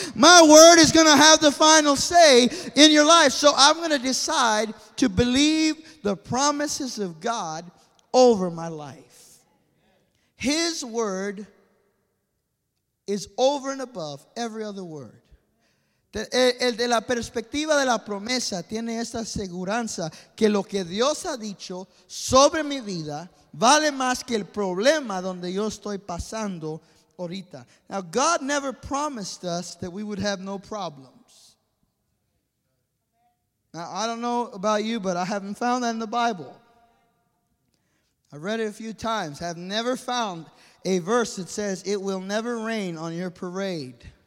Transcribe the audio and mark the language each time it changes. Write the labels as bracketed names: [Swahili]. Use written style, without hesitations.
[English] My word is going to have the final say in your life. So I'm going to decide to believe the promises of God over my life. His word is over and above every other word. [Spanish] El de la perspectiva de la promesa tiene esta aseguranza que lo que Dios ha dicho sobre mi vida vale más que el problema donde yo estoy pasando ahorita. [English] Now, God never promised us that we would have no problems. Now, I don't know about you, but I haven't found that in the Bible. I read it a few times. I've never found a verse that says, it will never rain on your parade.